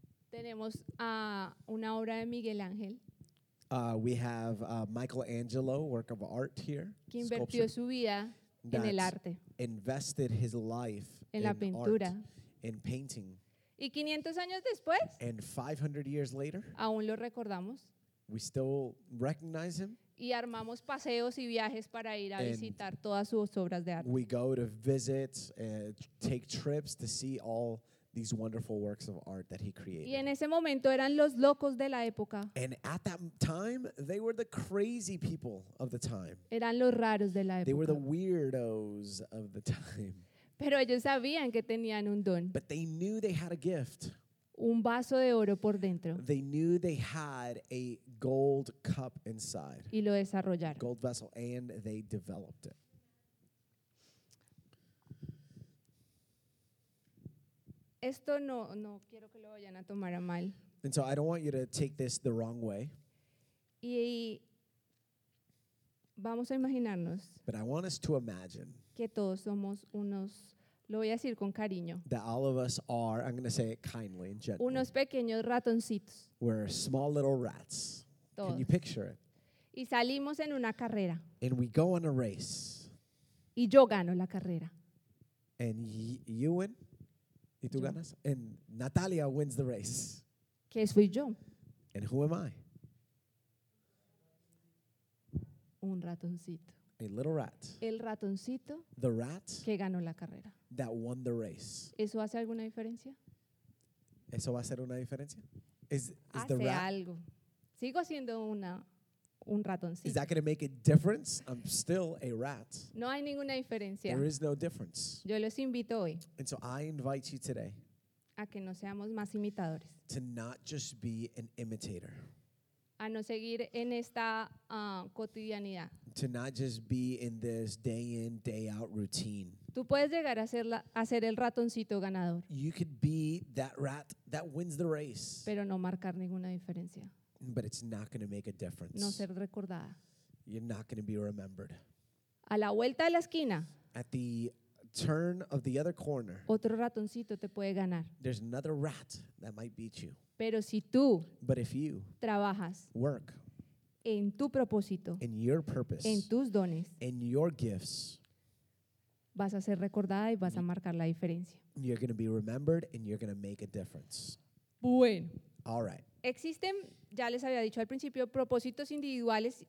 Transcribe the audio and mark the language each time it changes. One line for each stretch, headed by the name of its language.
Spanish: Tenemos a una obra de Miguel Ángel.
English: We have Michelangelo, work of art here.
Spanish: Que invirtió su vida en el arte.
English: Invested his life
Spanish: en la pintura.
English: In painting.
Spanish: Y 500 años después.
English: And 500 years later.
Spanish: Aún lo recordamos.
English: We still recognize him.
Spanish: Y armamos paseos y viajes para ir a visitar todas sus obras de arte.
English: We go to visit, take trips to see all these wonderful works of art that he created.
Spanish: Y en ese momento eran los locos de la época.
English: And at that time, they were the crazy people of the time.
Spanish: Eran los raros de la época.
English: They were the weirdos of the time.
Spanish: Pero ellos sabían que tenían un don.
English: But they knew they had a gift.
Spanish: Un vaso de oro por dentro.
English: They knew they had a gold cup inside.
Spanish: Y lo desarrollaron.
English: Gold vessel, and they developed it.
Spanish: Esto no quiero que lo vayan a tomar a mal.
English: And so I don't want you to take this the wrong way.
Spanish: Y vamos a imaginarnos.
English: But I want us to imagine.
Spanish: Que todos somos unos. Lo voy a decir con cariño.
English: That all of us are, I'm going to say it kindly and gently.
Spanish: Unos pequeños ratoncitos.
English: We're small little rats.
Spanish: Todos.
English: Can you picture it?
Spanish: Y salimos en una carrera.
English: And we go on a race.
Spanish: Y yo gano la carrera.
English: And you win.
Spanish: Y tú ganas.
English: And Nathalia wins the race.
Spanish: ¿Qué soy yo?
English: And who am I?
Spanish: Un ratoncito.
English: A little rat.
Spanish: El ratoncito.
English: The rat.
Spanish: Que ganó la carrera.
English: That won the race.
Spanish: ¿Eso hace alguna diferencia? ¿Eso va a hacer una diferencia?
English: Is the rat, algo.
Spanish: Sigo siendo un ratoncito.
English: Is that going to make a difference? I'm still a rat.
Spanish: No hay ninguna diferencia.
English: There is no difference.
Spanish: Yo los invito hoy.
English: And so I invite you today.
Spanish: A que no seamos más imitadores.
English: To not just be an imitator.
Spanish: A no seguir en esta cotidianidad.
English: To not just be in this day in, day out routine.
Spanish: Tú puedes llegar a ser el ratoncito ganador.
English: You could be that rat that wins the race.
Spanish: Pero no marcar ninguna diferencia.
English: But it's not going to make a difference.
Spanish: No ser recordada.
English: You're not going to be remembered.
Spanish: A la vuelta de la esquina.
English: At the turn of the other corner.
Spanish: Otro ratoncito te puede ganar.
English: There's another rat that might beat you.
Spanish: Pero si tú.
English: But if you.
Spanish: Trabajas.
English: Work.
Spanish: En tu propósito.
English: In your purpose.
Spanish: En tus dones.
English: In your gifts.
Spanish: Vas a ser recordada y vas a marcar la diferencia.
English: You're going to be remembered and you're going to make a difference.
Spanish: Bueno.
English: All right.
Spanish: Existen, ya les había dicho al principio, propósitos individuales y grupales.